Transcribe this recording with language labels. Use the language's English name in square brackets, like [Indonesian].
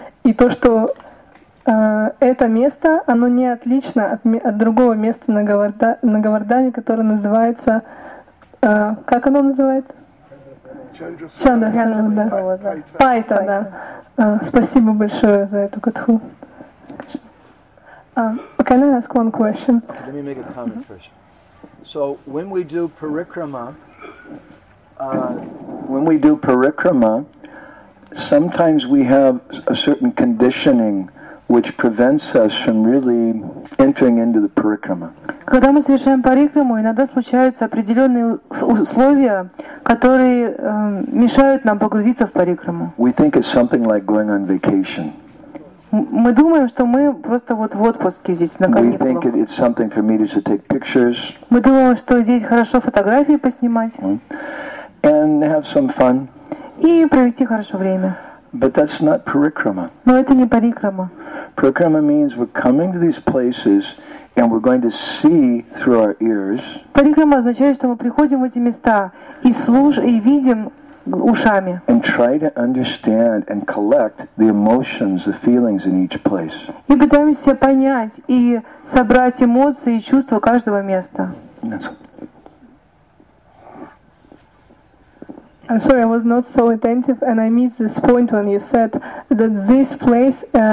[Russian] И то, что это место, оно не отлично от другого места на Говардане, которое называется... как оно называется? Чандрасана. Да. Пайта, да. Спасибо большое за эту катху. [English] Can I ask one question? Let me make a comment first. So when we do parikrama, sometimes we have a certain conditioning which prevents us from really entering into the parikrama. [Russian] Когда мы совершаем парикраму, иногда случаются определенные условия, которые мешают нам погрузиться в парикраму. [English] We think it's something like going on vacation. [Russian] Мы думаем, что мы просто вот в отпуске здесь на каникулах. Мы думаем, что здесь хорошо фотографии поснимать. Mm-hmm. [English] And have some fun. [Russian] И провести хорошо время. [English] But that's not parikrama. [Russian] Но это не парикрама. [English] Parikrama means we're coming to these places and we're going to see through our ears. [Russian] Парикрама означает, что мы приходим в эти места и и видим. Ушами. [English] And try to understand and collect the emotions, the feelings in each place. [Russian] И пытаемся понять и собрать эмоции и чувства каждого места. [English] I'm sorry, I was not so attentive, and I missed this point when you said that this place,